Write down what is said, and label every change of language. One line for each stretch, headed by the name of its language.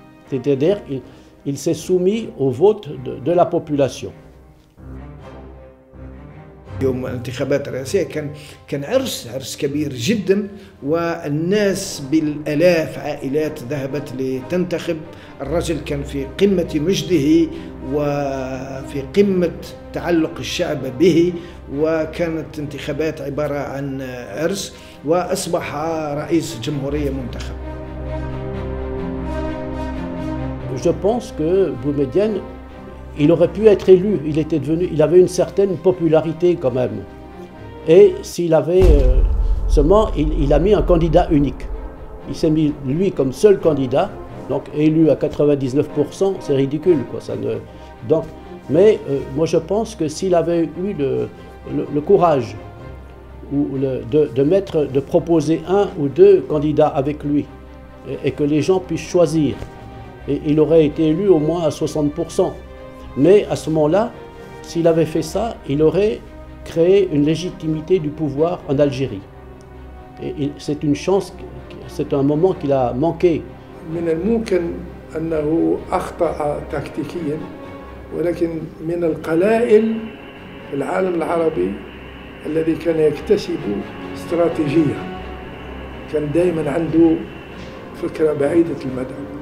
French: C'est-à-dire qu'il s'est soumis au vote de la population.
Arabic: يوم الانتخابات الرئاسية كان عرس كبير جدا، والناس بالألاف عائلات ذهبت لتنتخب. الرجل كان في قمة مجده وفي قمة تعلق الشعب به، وكانت انتخابات عبارة عن عرس، وأصبح رئيس جمهورية منتخب.
French: Je pense que Boumediene il aurait pu être élu, il était devenu, il avait une certaine popularité quand même. Et s'il avait seulement, il a mis un candidat unique. Il s'est mis lui comme seul candidat, donc élu à 99%, c'est ridicule quoi. Moi je pense que s'il avait eu le courage de proposer un ou deux candidats avec lui et que les gens puissent choisir, et il aurait été élu au moins à 60%. Mais à ce moment-là, s'il avait fait ça, il aurait créé une légitimité du pouvoir en Algérie. Et c'est une chance, c'est un moment qu'il a manqué.
Arabic: من الممكن أنه أخطأ تكتيكيا، ولكن من القلائل في العالم العربي الذي كان يكتسب استراتيجية، كان دائما عنده فكرة بعيدة المدى.